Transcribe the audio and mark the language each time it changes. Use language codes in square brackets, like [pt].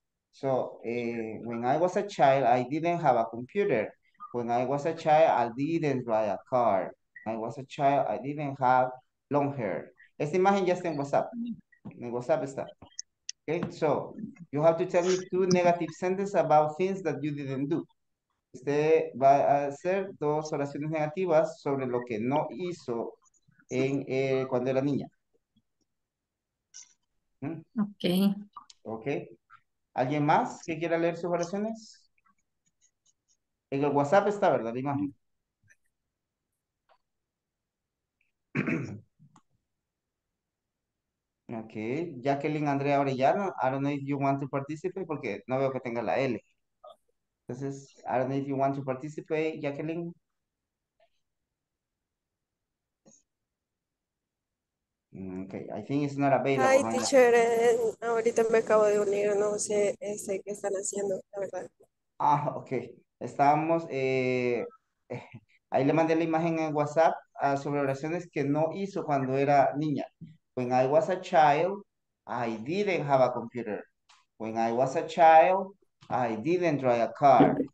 [en] So when I was a child, I didn't have a computer. When I was a child, I didn't drive a car. When I was a child, I didn't have long hair. [es] Esta imagen ya está en WhatsApp. En WhatsApp está. [en] Okay, so you have to tell me two negative sentences about things that you didn't do. [es] Usted va a hacer dos oraciones negativas sobre lo que no hizo en cuando era niña. [en] Okay. [es] Okay. ¿Alguien más que quiera leer sus oraciones? En el WhatsApp está, ¿verdad? La imagen. [en] Okay, Jacqueline Andrea Orellana, I don't know if you want to participate, [es] porque no veo que tenga la L. [en] Entonces, I don't know if you want to participate, Jacqueline. Okay, I think it's not available. Hi, teacher, [es] ahorita me acabo de unir, no sé qué están haciendo, la verdad. Ah, okay, estábamos, ahí le mandé la imagen en WhatsApp sobre oraciones que no hizo cuando era niña. [en] When I was a child, I didn't have a computer. When I was a child, I didn't drive a car.